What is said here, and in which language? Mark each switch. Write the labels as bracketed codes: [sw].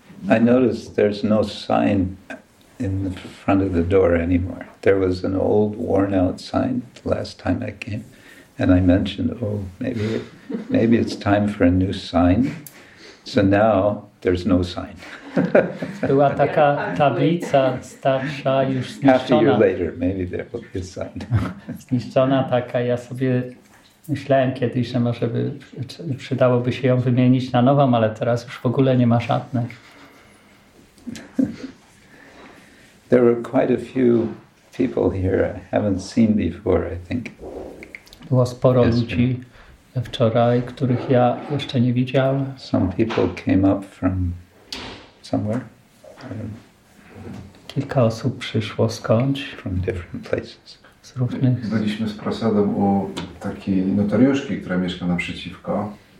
[en] I noticed there's no sign in the front of the door anymore. There was an old worn-out sign the last time I came, and I mentioned, oh, maybe it's time for a new sign. So now there's no sign. [pl] Była taka tablica starsza, już zniszczona. [en] Half a year later, maybe there will be a sign. [pl] Zniszczona taka, ja sobie myślałem kiedyś, że może by przydałoby się ją wymienić na nową, ale teraz już w ogóle nie ma żadnej. [en] There were quite a few people here I haven't seen before, I think. [pl] Było sporo ludzi wczoraj, których ja jeszcze nie widziałem. [en] Some people came up from somewhere. [pl] Kilka osób przyszło skądś. [en] From different places. [pl] Z różnych... Byliśmy z prosadem u takiej notariuszki, która mieszka naprzeciwko.